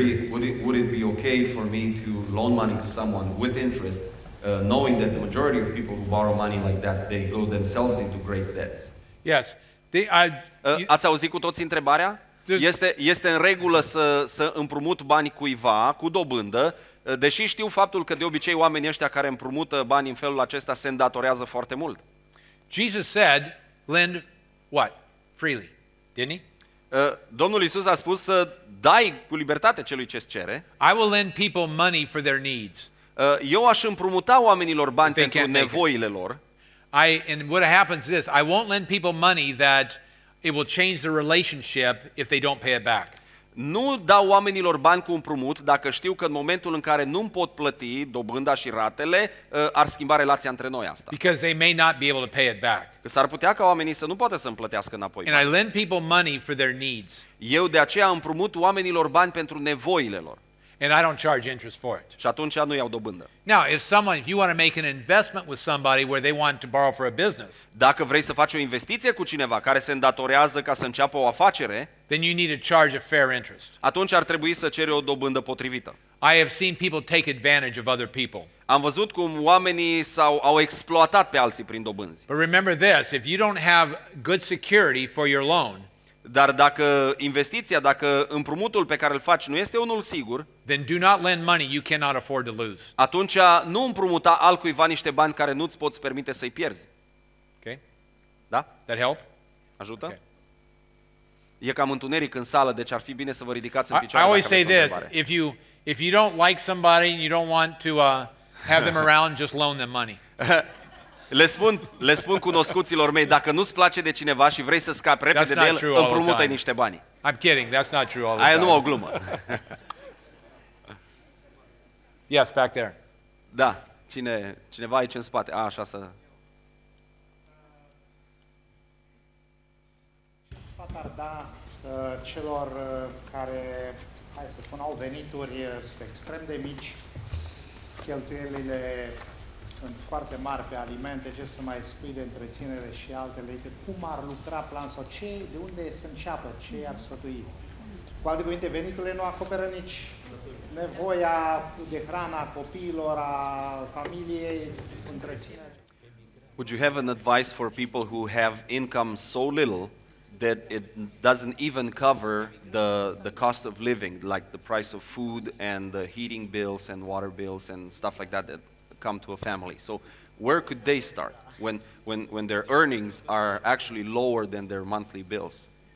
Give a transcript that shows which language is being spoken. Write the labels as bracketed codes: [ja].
[en] Would it be okay for me to loan money to someone with interest, knowing that the majority of people who borrow money like that, they go themselves into great debts? Yes. [ro] Ați auzit cu toți întrebarea? Este în regulă să împrumut bani cuiva cu dobândă, deși știu faptul că de obicei oamenii ăștia care împrumută bani în felul acesta se îndatorează foarte mult. [en] Jesus said, lend what? Freely. Didn't he? [ro] Domnul Iisus a spus să dai cu libertate celui ce-ți cere. [en] I will lend people money for their needs. [ro] Eu aș împrumuta oamenilor bani pentru nevoile lor. [en] And what happens is this, I won't lend people money that it will change the relationship if they don't pay it back. [ro] Nu dau oamenilor bani cu împrumut dacă știu că în momentul în care nu-mi pot plăti dobânda și ratele, ar schimba relația între noi asta. [en] Because they may not be able to pay it back. [ro] Că s-ar putea ca oamenii să nu poată să-mi plătească înapoi. [en] And I lend people money for their needs. [ro] Eu de aceea împrumut oamenilor bani pentru nevoile lor. [en] And I don't charge interest for it. [ro] Și atunci nu iau dobândă. [en] Now, if you want to make an investment with somebody where they want to borrow for a business. [ro] Dacă vrei să faci o investiție cu cineva care se îndatorează ca să înceapă o afacere, [en] then you need to charge a fair interest. [ro] Atunci ar trebui să ceri o dobândă potrivită. [en] I have seen people take advantage of other people. [ro] Am văzut cum oamenii au exploatat pe alții prin dobânzi. [en] But remember this, if you don't have good security for your loan, [ro] dar dacă investiția, dacă împrumutul pe care îl faci nu este unul sigur, [en] then do not lend money you cannot afford to lose. [ro] Atunci nu împrumuta altcuiva niște bani care nu-ți poți permite să-i pierzi. [en] Okay. [ro] Da? [en] That help? [ro] Ajută? Okay. E cam întuneric în sală, deci ar fi bine să vă ridicați în picioare. [en] I always say this, if you don't like somebody and you don't want to have them around, just loan them money. [ro] Le spun cunoscuților mei, dacă nu-ți place de cineva și vrei să scapi repede [en] that's [ro] de el, împrumută-i niște bani. [en] I'm kidding, that's not true all the [ro] aia [en] time. [ro] Nu o glumă. [en] Yes, back there. [ro] Da, cineva aici în spate. Ah, așa să... Ce sfat ar da celor care, hai să spun, au venituri extrem de mici, cheltuielile sunt foarte mari pe alimente, ce să mai spui de întreținere și altele, cum ar lucra planul sau ce, de unde se înceapă, ce ar sfătui? Cu alte cuvinte, veniturile nu acoperă nici nevoia de hrană a copiilor, a familiei, întreținere. [en] Would you have an advice for people who have income so little that it doesn't even cover the cost of living, like the price of food and the heating bills and water bills and stuff like that, that come to a family? So where could they start when their earnings are actually lower than their monthly bills?